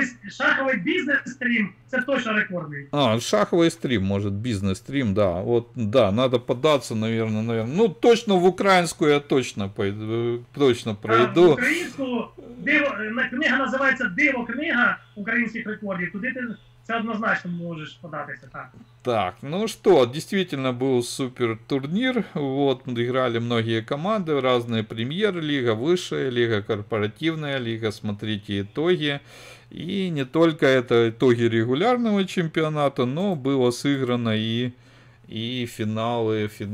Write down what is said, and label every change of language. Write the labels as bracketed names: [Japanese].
[Ukrainian] Шаховий бізнес-стрім, це точно рекордний. Шаховий стрім, може, бізнес-стрім, да. От, да, [Russian] надо [Ukrainian] податися, [Russian] наверное. [Ukrainian] Ну, точно в українську я точно пройду. В українську книга називається «Диво книга українських рекордів». Туди ти це однозначно можеш податися, так. [Russian] Так, ну что, действительно был супер турнир, вот, играли многие команды, разные премьер-лига, высшая лига, корпоративная лига, смотрите итоги, и не только это итоги регулярного чемпионата, но было сыграно и финалы